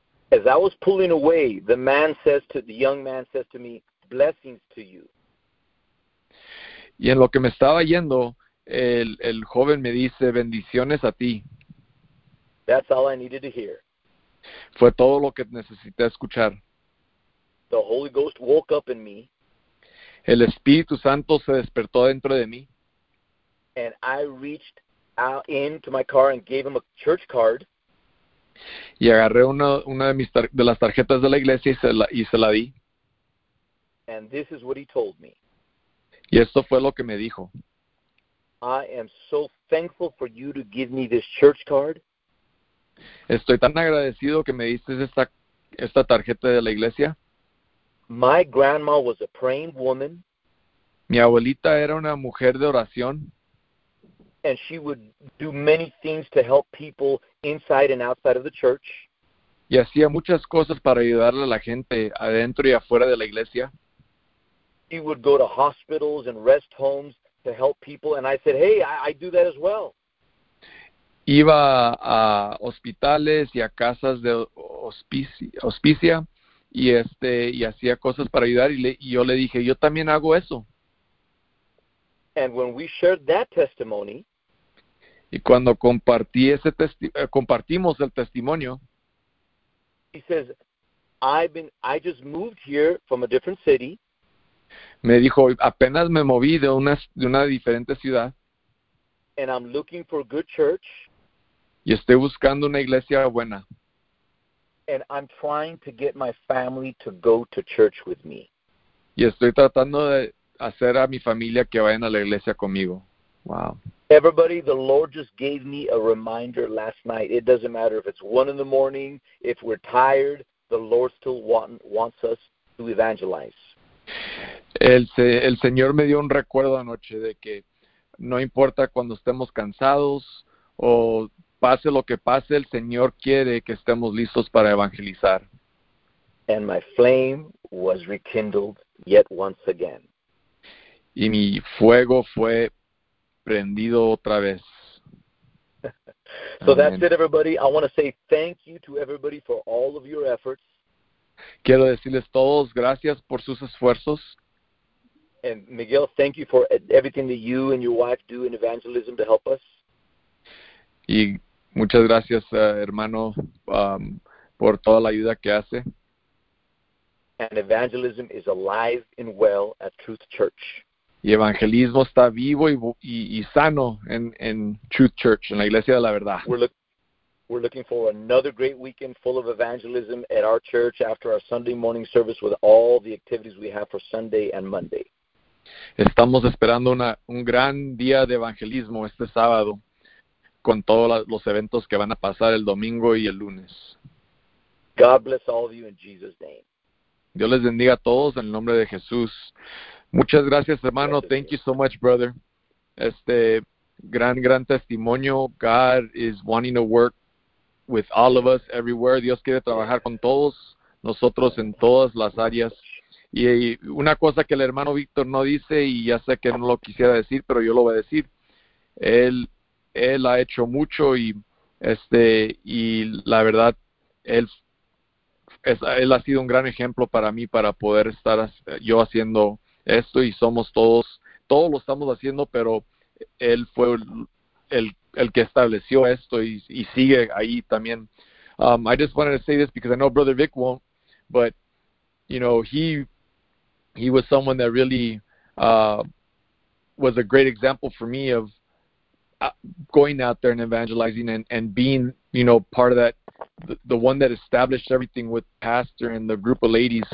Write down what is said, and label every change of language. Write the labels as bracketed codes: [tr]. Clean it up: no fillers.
[en] As I was pulling away, the young man says to me, blessings to you. [es] Y en lo que me estaba yendo, el joven me dice, bendiciones a ti. [en] That's all I needed to hear. [es] Fue todo lo que necesité escuchar. [en] The Holy Ghost woke up in me. [es] El Espíritu Santo se despertó dentro de mí. [en] And I reached out into my car and gave him a church card. [es] Y agarré una de las tarjetas de la iglesia y se la di. [en] And this is what he told me. [es] Y esto fue lo que me dijo. [en] I am so thankful for you to give me this church card. [es] Estoy tan agradecido que me diste esta tarjeta de la iglesia. [en] My grandma was a praying woman. [es] Mi abuelita era una mujer de oración. [en] And she would do many things to help people inside and outside of the church. [es] Y hacía muchas cosas para ayudarle a la gente adentro y afuera de la iglesia. [en] She would go to hospitals and rest homes to help people, and I said, hey, I do that as well. [es] Iba a hospitales y a casas de hospicia, y hacía cosas para ayudar, y yo le dije, yo también hago eso. [en] And when we shared that testimony, [es] y cuando compartimos el testimonio, [en] he says, I just moved here from a different city. [es] Me dijo, apenas me moví de una diferente ciudad. [en] And I'm looking for a good church. [es] Y estoy buscando una iglesia buena. [en] And I'm trying to get my family to go to church with me. [es] Y estoy tratando de hacer a mi familia que vayan a la iglesia conmigo. [en] Wow. Everybody, the Lord just gave me a reminder last night. It doesn't matter if it's 1 a.m, if we're tired, the Lord still wants us to evangelize. [es] El Señor me dio un recuerdo anoche de que no importa cuando estemos cansados o pase lo que pase, el Señor quiere que estemos listos para evangelizar. [en] And my flame was rekindled yet once again. [es] Y mi fuego fue prendido otra vez. [en] So that's [es] Amén. [en] it, everybody. I want to say thank you to everybody for all of your efforts. [es] Quiero decirles todos gracias por sus esfuerzos. [en] And Miguel, thank you for everything that you and your wife do in evangelism to help us. [es] Y muchas gracias, hermano, por toda la ayuda que hace. [en] And evangelism is alive and well at Truth Church. [es] Y evangelismo está vivo y sano en Truth Church, en la Iglesia de la Verdad. [en] We're looking for another great weekend full of evangelism at our church after our Sunday morning service with all the activities we have for Sunday and Monday. [es] Estamos esperando un gran día de evangelismo este sábado, con todos los eventos que van a pasar el domingo y el lunes. [en] God bless all of you in Jesus' name. [es] Dios les bendiga a todos en el nombre de Jesús. Muchas gracias, hermano. [en] Thank you so much, brother. [es] Este gran testimonio. [en] God is wanting to work with all of us everywhere. [es] Dios quiere trabajar con todos nosotros en todas las áreas. Y una cosa que el hermano Víctor no dice, y ya sé que no lo quisiera decir, pero yo lo voy a decir. Él ha hecho mucho y la verdad, él ha sido un gran ejemplo para mí para poder estar yo haciendo esto y somos todos lo estamos haciendo, pero él fue el que estableció esto y sigue ahí también. [en] I just wanted to say this because I know Brother Vic won't, but you know, he was someone that really was a great example for me of going out there and evangelizing and being, you know, part of that, the one that established everything with Pastor and the group of ladies.